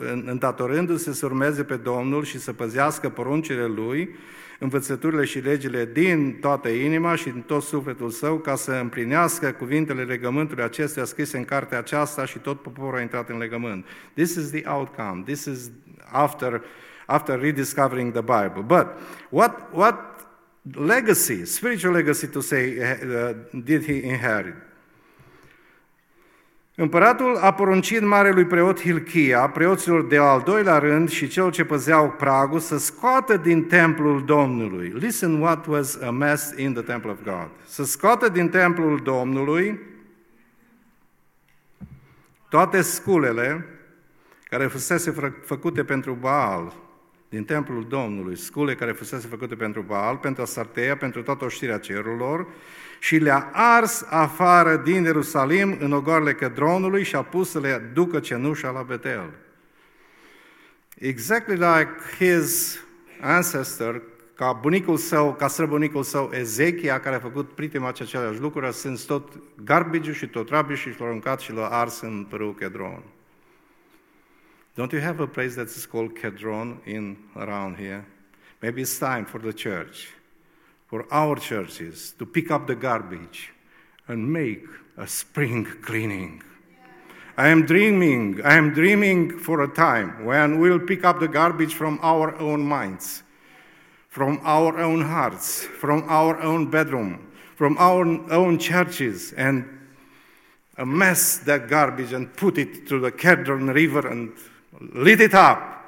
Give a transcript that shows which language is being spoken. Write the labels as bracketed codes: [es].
[ro] îndatorându-se să urmeze pe Domnul și să păzească poruncile lui, învățăturile și legile din toată inima și din tot sufletul său, ca să împlinească cuvintele legământului acestuia scrise în cartea aceasta și tot poporul a intrat în legământ. [en] This is the outcome. This is after rediscovering the Bible. But what legacy, spiritual legacy to say, did he inherit? [ro] Împăratul a poruncit marelui preot Hilchia, preoților de al doilea rând și cel ce păzeau pragul, să scoată din templul Domnului. [en] Listen what was amassed in the temple of God. [ro] Să scoată din templul Domnului toate sculele care fusese făcute pentru Baal, din templul Domnului, scule care fusese făcute pentru Baal, pentru Astartea, pentru toată oștirea cerurilor, și le-a ars afară din Ierusalim în ogoarele Cedronului și a pus să le ducă cenușa la Betel. [en] Exactly like his ancestor, [ro] ca bunicul său, ca străbunicul său, Ezechia, care a făcut prima aceleași lucruri, a sâns tot garbiciu și tot rabiciu și l-a aruncat și l-a ars în râul Cedron. [en] Don't you have a place that is called Cedron in around here? Maybe it's time for the church, for our churches, to pick up the garbage and make a spring cleaning. Yeah. I am dreaming for a time when we'll pick up the garbage from our own minds, from our own hearts, from our own bedroom, from our own churches, and amass that garbage and put it to the Cedron River and lead it up.